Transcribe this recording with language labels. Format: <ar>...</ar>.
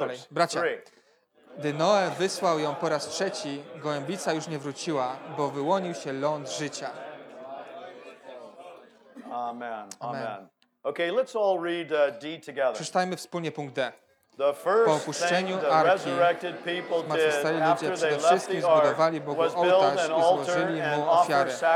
<pl>Bracia, gdy Noe wysłał ją po raz trzeci, gołębica już nie wróciła, bo wyłonił się ląd życia. Amen.</pl> <en>Okay, let's all read D together.</en> <pl>Przeczytajmy wspólnie punkt D.</pl> <en>The first</en> <pl>po opuszczeniu arki, zmartwychwstali ludzie przede wszystkim zbudowali Bogu ołtarz i złożyli mu ofiary.</pl>